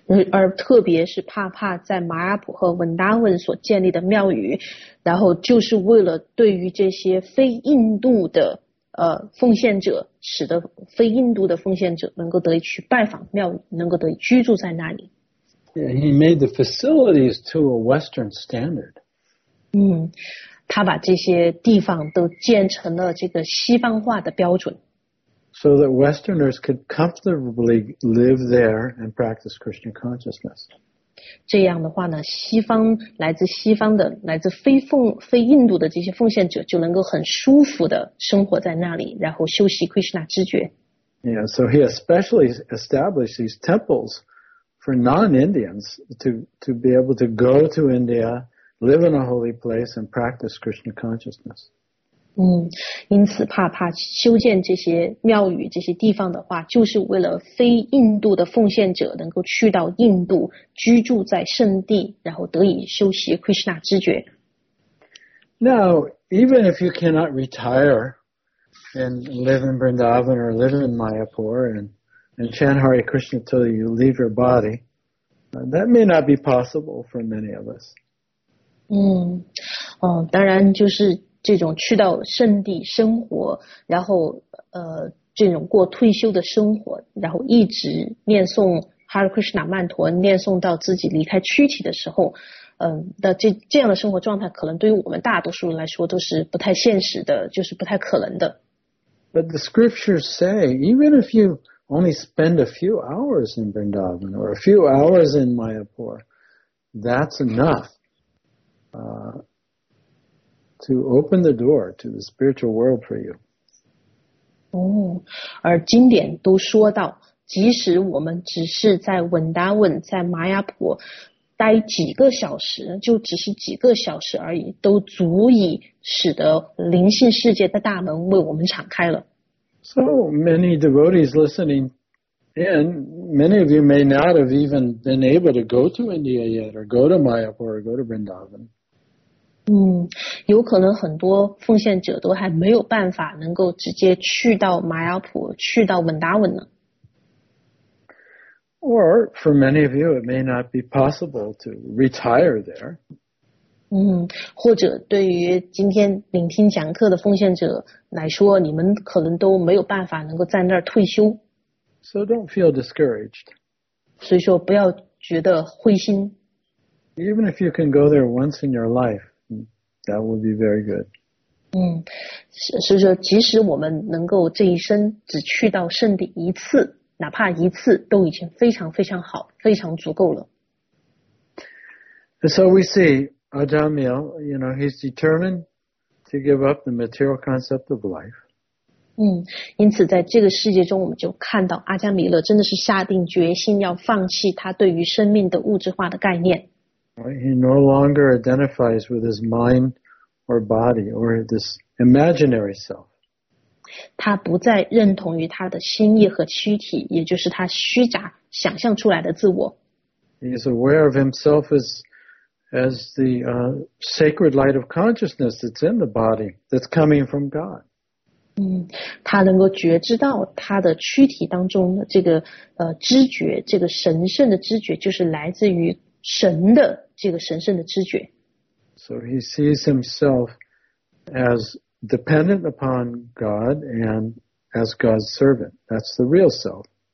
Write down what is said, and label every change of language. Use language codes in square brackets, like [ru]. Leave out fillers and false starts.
[zh] 而特别是帕帕在马亚普和文达文所建立的庙宇，然后就是为了对于这些非印度的奉献者，使得非印度的奉献者能够得以去拜访庙宇，能够得以居住在那里。 [en] Yeah, he made the facilities to a Western standard. [zh] 他把这些地方都建成了这个西方化的标准。 [en] So that Westerners could comfortably live there and practice Krishna consciousness. [zh] 这样的话呢，西方来自西方的、来自非奉非印度的这些奉献者就能够很舒服的生活在那里，然后修习 Krishna 知觉。 [en] Yeah, so he especially established these temples for non-Indians to be able to go to India, live in a holy place, and practice Krishna consciousness. [zh] 嗯，因此怕修建这些庙宇这些地方的话，就是为了非印度的奉献者能够去到印度，居住在圣地，然后得以修习 Krishna 知觉。 [en] Now, even if you cannot retire and live in Vrindavan or live in Mayapur and chant Hare Krishna till you leave your body, that may not be possible for many of us. [zh] 嗯，哦，当然就是。这种去到圣地生活，然后这种过退休的生活，然后一直念诵 Hare Krishna 曼陀，念诵到自己离开躯体的时候，的这样的生活状态，可能对于我们大多数人来说都是不太现实的，就是不太可能的。 [en] But the scriptures say, even if you only spend a few hours in Vrindavan or a few hours in Mayapur, that's enough. To open the door to the spiritual world for you. [zh] 哦，而经典都说到，即使我们只是在文达文，在玛雅普待几个小时，就只是几个小时而已，都足以使得灵性世界的大门为我们敞开了。 [en] So many devotees listening in, many of you may not have even been able to go to India yet, or go to Mayapur, or go to Vrindavan. [zh] 有可能很多奉献者都还没有办法能够直接去到玛雅普去到文达文呢。 [en] Or for many of you, it may not be possible to retire there. [zh] 或者对于今天聆听讲课的奉献者来说，你们可能都没有办法能够在那儿退休。 [en] So don't feel discouraged. [zh] 所以说不要觉得灰心。 [en] Even if you can go there once in your life,That would be very good. [zh] 所以说即使我们能够这一生只去到圣地一次，哪怕一次都已经非常非常好，非常足够了。 [en] So we see Ajamil, you know, he's determined to give up the material concept of life. [zh] 因此在这个世界中我们就看到阿加米勒真的是下定决心要放弃他对于生命的物质化的概念。 [en] He no longer identifies with his mind or body or this imaginary self. [zh] 他不再认同于他的心意和躯体，也就是他虚假想象出来的自我。 [en] He is aware of himself as the sacred light of consciousness that's in the body, that's coming from God. [zh] 他能够觉知到他的躯体当中的这个知觉，这个神圣的知觉，就是来自于。神的这个神圣的知觉。 [en] So he sees himself as dependent upon God and as God's servant. That's the real self.